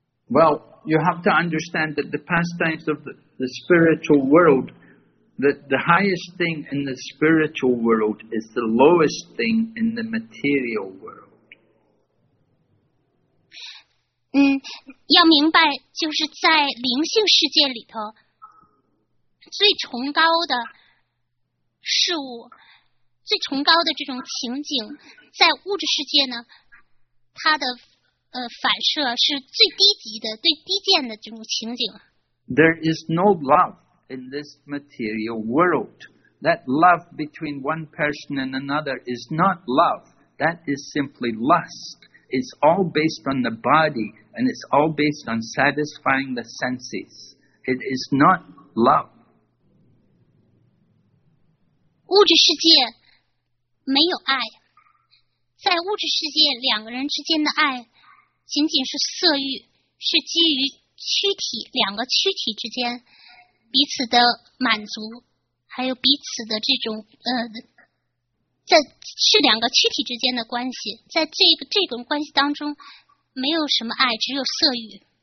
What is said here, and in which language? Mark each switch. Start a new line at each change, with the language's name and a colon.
English: Well, you have to understand that the pastimes of the spiritual world, that the highest thing in the spiritual world is the lowest thing in the material world.
Chinese: 要明白，就是在灵性世界里头，最崇高的事物，最崇高的这种情景，在物质世界呢，它的反射是最低级的、最低贱的这种情景。
English: There is no love in this material world. That love between one person and another is not love. That is simply lust. It's all based on the body, and it's all based on satisfying the senses. It is not love.
Chinese: 物质世界没有爱，在物质世界两个人之间的爱。仅仅是色欲，是基于躯体，两个躯体之间彼此的满足，还有彼此的这种这是两个躯体之间的关系，在这种关系当中没有什么爱，只有色欲。